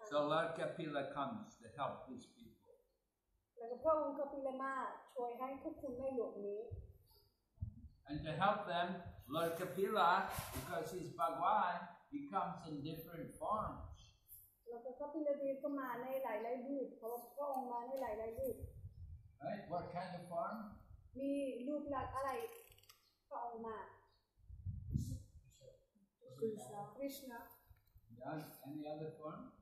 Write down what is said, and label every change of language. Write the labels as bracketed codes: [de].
[en] ง So Lord Kapila comes to help these people. [th] แล้วก็พระองค์ Kapila มาช่วยให้ทุกคนในโลกนี้ [en] And to help them, Lord Kapila, because he's Bhagwan, he comes in different forms. [th] แล้วก็ Kapila ที่ก็มาในหลายรูปเพราะพระองค์มาในหลายรูป [en] Right? What kind of form? [th] มีรูปลักษณ์อะไรพระองค์มา [en] Krishna. Yes. Any other form?